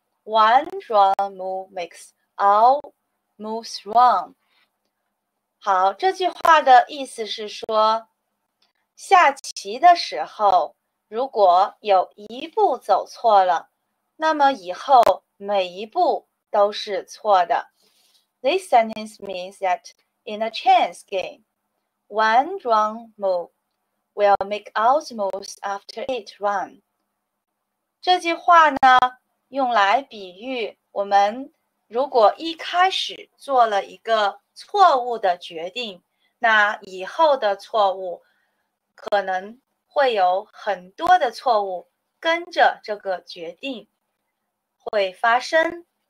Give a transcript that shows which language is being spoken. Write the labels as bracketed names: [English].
[English] One wrong move makes all moves wrong。 [Chinese] 好，这句话的意思是说，下棋的时候，如果有一步走错了，那么以后每一步都是错的。 [English] This sentence means that in a chess game,One wrong move will make all the moves after it run. [Chinese] 这句话呢，用来比喻我们如果一开始做了一个错误的决定，那以后的错误可能会有很多的错误跟着这个决定会发生。